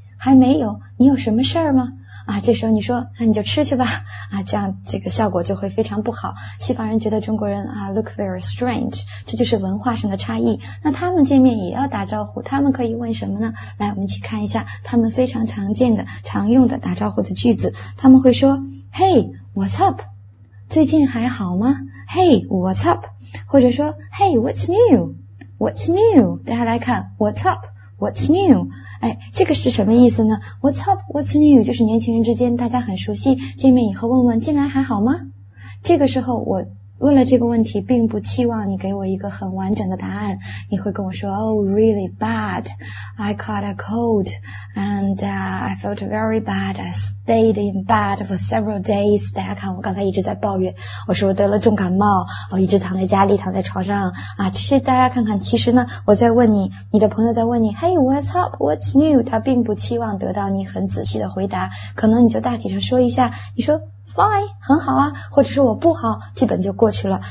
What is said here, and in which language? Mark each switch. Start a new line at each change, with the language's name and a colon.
Chinese: 还没有，你有什么事儿吗？啊，这时候你说那你就吃去吧，啊，这样这个效果就会非常不好。西方人觉得中国人啊
English: look very strange,
Chinese: 这就是文化上的差异。那他们见面也要打招呼，他们可以问什么呢？来，我们一起看一下他们非常常见的常用的打招呼的句子。他们会说
English: Hey, what's up?
Chinese: 最近还好吗？
English: Hey, what's up?
Chinese: 或者说
English: Hey, what's new? What's new?
Chinese: 大家来看
English: What's up? What's new?
Chinese: 哎，这个是什么意思呢？
English: What's up? What's new?
Chinese: 就是年轻人之间大家很熟悉，见面以后问问近来还好吗？这个时候我问了这个问题，并不期望你给我一个很完整的答案。你会跟我说
English: ，Oh, really bad. I caught a cold, and I felt very bad. I stayed in bed for several days.
Chinese: 大家看，我刚才一直在抱怨，我说我得了重感冒，我一直躺在家里，躺在床上啊。其实大家看看，其实呢，我在问你，你的朋友在问你 ，
English: Hey, what's up? What's new?
Chinese: 他并不期望得到你很仔细的回答，可能你就大体上说一下，你说。 Fine, 很好啊，或者是我不好，基本就过去了。